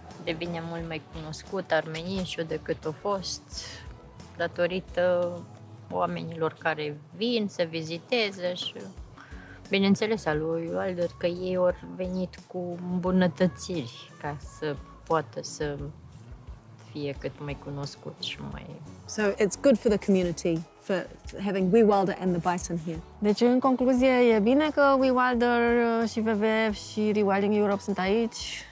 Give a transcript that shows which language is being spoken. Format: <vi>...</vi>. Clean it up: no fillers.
<ro>Devine mult mai cunoscut Armenișul decât a fost datorită oamenilor care vin să viziteze și... Bineînțeles, al lui Wilder, că ei au venit cu îmbunătățiri ca să poată să fie cât mai cunoscut și mai...</ro> <en>So it's good for the community, for having WeWilder and the bison here.</en> <ro>Deci, în concluzie, e bine că WeWilder și WWF și Rewilding Europe sunt aici?</ro>